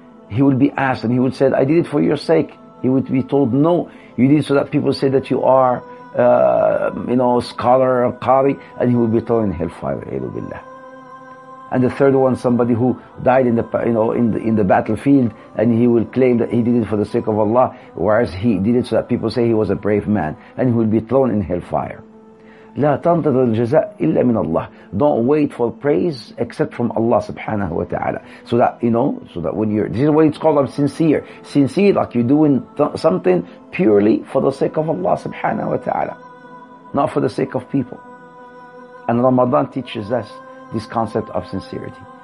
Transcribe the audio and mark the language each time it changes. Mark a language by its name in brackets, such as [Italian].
[English] He will be asked, and he would say, I did it for your sake. He would be told, no, you did it so that people say that you are, a scholar, a qari, and he will be thrown in hellfire, A'udhu Billah. And the third one, somebody who died in the battlefield, and he will claim that he did it for the sake of Allah, whereas he did it so that people say he was a brave man, and he will be thrown in hellfire. [Arabic] لا تنتظر الجزاء إلا من الله. [English] Don't wait for praise except from Allah subhanahu wa ta'ala. So that when you're, this is what it's called, I'm sincere. Sincere, like you're doing something purely for the sake of Allah subhanahu wa ta'ala. Not for the sake of people. And Ramadan teaches us this concept of sincerity.